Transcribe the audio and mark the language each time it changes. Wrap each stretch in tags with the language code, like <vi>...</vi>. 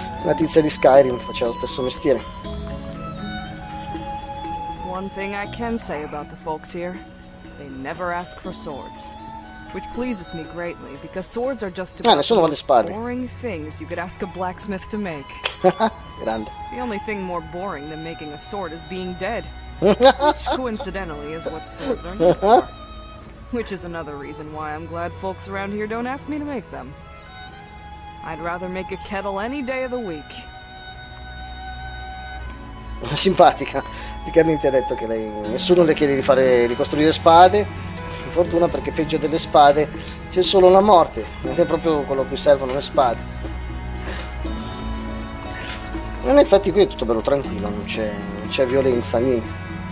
<it>La tizia di Skyrim, faceva lo stesso mestiere.</it> <en>One thing I can say about the folks here, they never ask for swords, which pleases me greatly, because swords are just about the boring things you could ask a blacksmith to make.</en> <it>Grande.</it> <en>The only thing more boring than making a sword is being dead, which coincidentally is what swords are used for, which is another reason why I'm glad folks around here don't ask me to make them. I'd rather make a kettle any day of the week.</en> <it>Simpatica, praticamente ha detto che lei, nessuno le chiede di fare ricostruire spade, per fortuna, perché peggio delle spade c'è solo la morte, ed è proprio quello che servono le spade. E infatti qui è tutto bello tranquillo, non c'è violenza, niente.</it>